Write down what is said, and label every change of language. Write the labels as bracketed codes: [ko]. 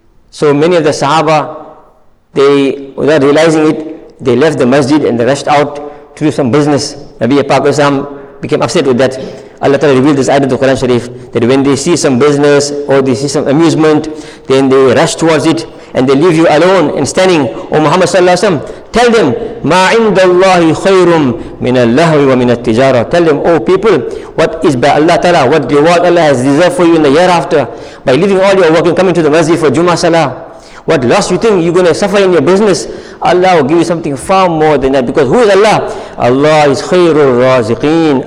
[en] So many of the Sahaba, they, without realizing it, they left the masjid and they rushed out to do some business. Nabi Pakosam became upset with that. Allah Ta'ala revealed this ayat of the Quran Sharif, that when they see some business or they see some amusement, then they rush towards it and they leave you alone and standing. O Muhammad Sallallahu Alaihi Wasallam, tell them, [ar] مَا عِنْدَ اللَّهِ خَيْرٌ مِنَ اللَّهِ وَمِنَ التِّجَارَةِ. [en] Tell them, O people, what is by Allah Ta'ala, what reward Allah has reserved for you in the hereafter, by leaving all your work and coming to the masjid for Jumu'ah Salah. What loss you think you're going to suffer in your business, Allah will give you something far more than that. Because who is Allah? Allah is khayrul raziqeen.